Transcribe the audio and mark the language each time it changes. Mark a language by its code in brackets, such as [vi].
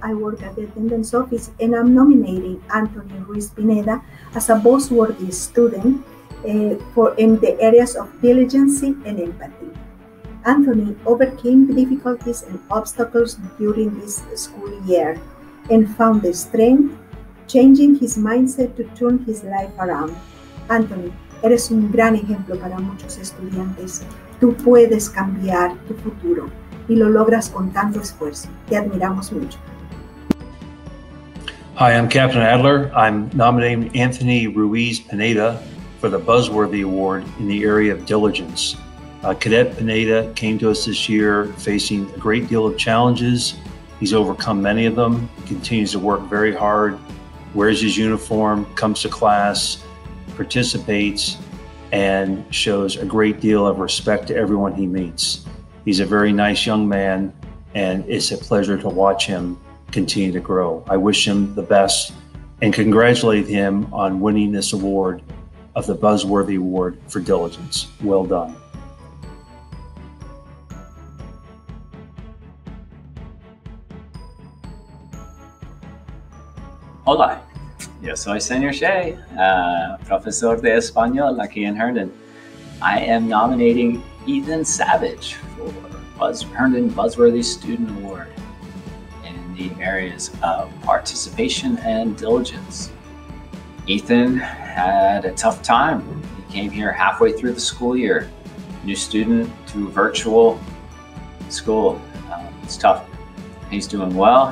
[en] I work at the attendance office, and I'm nominating Anthony Ruiz Pineda as a Buzzworthy student in the areas of diligence and empathy. Anthony overcame difficulties and obstacles during this school year and found the strength, changing his mindset to turn his life around. [es] Anthony, eres un gran ejemplo para muchos estudiantes. Tú puedes cambiar tu futuro y lo logras con tanto esfuerzo. Te admiramos mucho. [en] Hi, I'm Captain Adler. I'm nominating Anthony Ruiz Pineda for the Buzzworthy Award in the area of diligence. Cadet Pineda came to us this year facing a great deal of challenges. He's overcome many of them, continues to work very hard, wears his uniform, comes to class, participates, and shows a great deal of respect to everyone he meets. He's a very nice young man, and it's a pleasure to watch him continue to grow. I wish him the best and congratulate him on winning this award of the Buzzworthy Award for Diligence. Well done. [es] Hola, yo soy Señor Shea, profesor de español aquí en Herndon. [en] I am nominating Ethan Savage for Herndon Buzzworthy Student Award in the areas of participation and diligence. Ethan had a tough time. He came here halfway through the school year, new student to virtual school. It's tough. He's doing well.